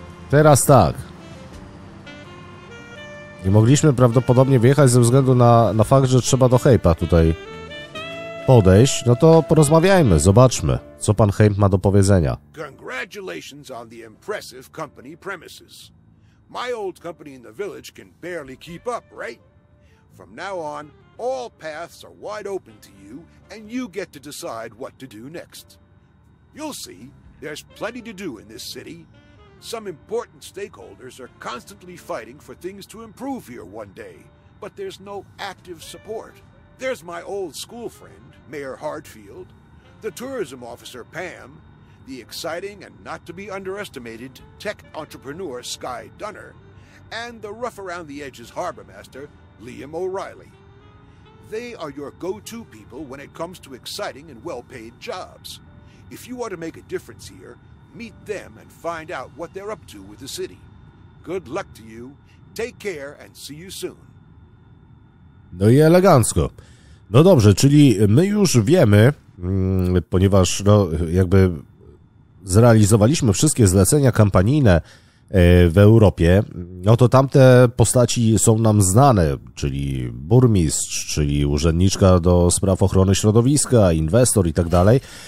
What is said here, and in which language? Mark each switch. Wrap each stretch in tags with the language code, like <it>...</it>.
<pl>Teraz tak. Nie mogliśmy prawdopodobnie wjechać ze względu na fakt, że trzeba do Hejpa tutaj podejść. No to porozmawiajmy, zobaczmy, co pan Hejp ma do powiedzenia.</pl> <en>Congratulations on the impressive company premises. My old company in the village can barely keep up, right? From now on, all paths are wide open to you, and you get to decide what to do next. You'll see, there's plenty to do in this city. Some important stakeholders are constantly fighting for things to improve here one day, but there's no active support. There's my old school friend, Mayor Hartfield, the tourism officer Pam, the exciting and not to be underestimated tech entrepreneur Sky Dunner, and the rough around the edges harbor master Liam O'Reilly. They are your go-to people when it comes to exciting and well-paid jobs. If you want to make a difference here, meet them and find out what they're up to with the city. Good luck to you. Take care and see you soon.</en> <pl>No i elegancko. No dobrze, czyli my już wiemy, ponieważ no, jakby zrealizowaliśmy wszystkie zlecenia kampanijne w Europie, no to tamte postaci są nam znane, czyli burmistrz, czyli urzędniczka do spraw ochrony środowiska, inwestor i tak dalej.</pl>